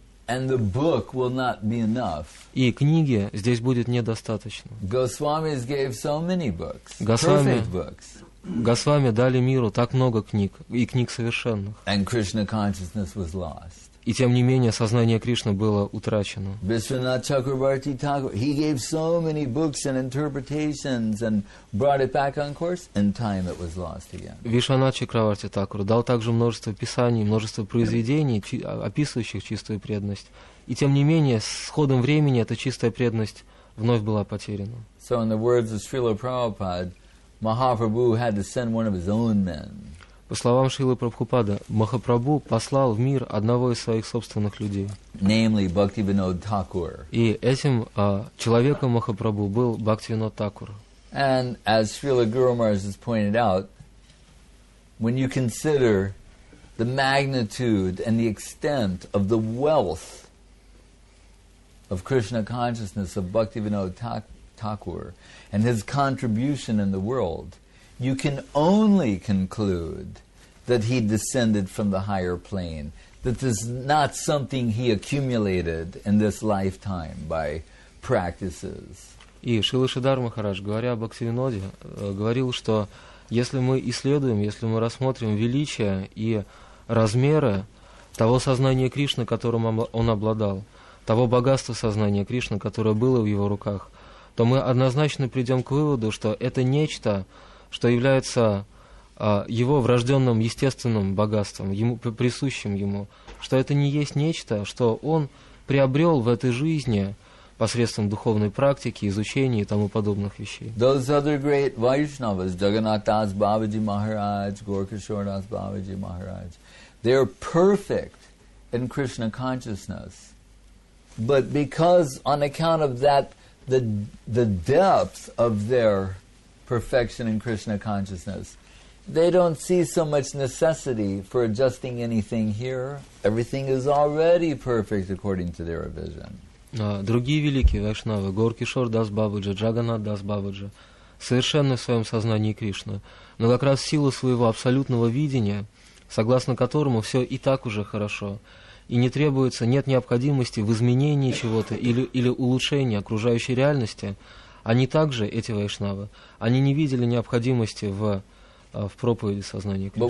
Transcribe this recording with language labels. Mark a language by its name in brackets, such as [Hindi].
[English] And the book will not be enough. [Russian] И книги здесь будет недостаточно. [English] Goswamis gave so many books, perfect books. [Russian] Госвами дали миру так много книг и книг совершенных. [English] And Krishna consciousness was lost. [Russian] И тем не менее сознание Кришны было утрачено. [English] Vishwanath Chakravarti Thakur, he gave so many books and interpretations and brought it back on course, and time it was lost again. [Russian] Вишванат Чакраварти Такур дал также множество писаний, множество произведений, описывающих чистую преданность. И тем не менее, с ходом времени эта чистая преданность вновь была потеряна. [English] So in the words of Srila Prabhupada, Mahaprabhu had to send one of his own men. [Russian] По словам Шрилы Прабхупады, Махапрабху послал в мир одного из своих собственных людей. [English] Namely, Bhaktivinoda Thakur. [Russian] И этим человеком Махапрабху был Бхактивинода Такур. [English] And as Srila Guru Maharaj has pointed out, when you consider the magnitude and the extent of the wealth of Krishna consciousness of Bhaktivinoda Thakur and his contribution in the world, you can only conclude that he descended from the higher plane, that this is not something he accumulated in this lifetime by practices. [Russian] И Шрила Шридхар Махарадж, говоря об Бхактивиноде, говорил, что если мы исследуем, если мы рассмотрим величие и размеры того сознания Кришны, которым он обладал, того богатства сознания Кришны, которое было в его руках, то мы однозначно придем к выводу, что это нечто, что является его врожденным естественным богатством, ему, присущим ему, что это не есть нечто, что он приобрел в этой жизни посредством духовной практики, изучения и тому подобных вещей. [English] Those other great Vaishnavas, Jagannath Das Babaji Maharaj, Gorkishore Das Babaji Maharaj, they're perfect in Krishna consciousness, but because on account of that, the depth of their perfection in Krishna consciousness, they don't see so much necessity for adjusting anything here. Everything is already perfect according to their vision. [Russian] Другие великие вайшнавы, Горкишор Дас Бабаджи, Джаганнат Дас Бабаджи, совершенны в своем сознании Кришны, но как раз в силу своего абсолютного видения, согласно которому все и так уже хорошо, и не требуется, нет необходимости в изменении чего-то или улучшении окружающей реальности, они также, эти вайшнавы, они не видели необходимости в проповеди сознания Кришны.